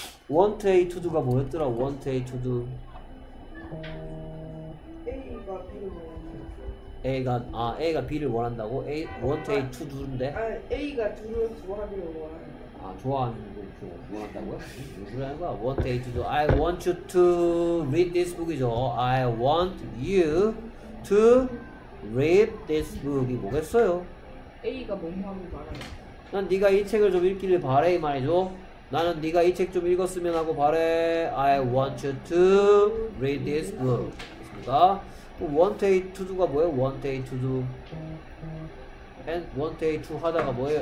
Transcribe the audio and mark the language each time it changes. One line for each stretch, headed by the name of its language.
English: Want A to do가 뭐였더라? Want A to do.
Korean: A가 B를 물어.
English: A가 B를 원한다고? A, want A to do인데?
Korean: A가 do를 좋아하기를 원하는 거. 아, 좋아하는 걸 원한다고요?
English: 무슨 말인가? Want A to do. I want you to read this book이죠. I want you to read this book이 뭐겠어요?
Korean: A가 뭐하기를 바라는 거. 난 네가 이 책을 좀 읽기를 바래 이 말이죠. 나는 네가 이 책 좀 읽었으면 하고 바래.
English: I want you to read this book. 그렇습니까? Want A to do가 뭐예요? Want A to do. And want A to 하다가 뭐예요?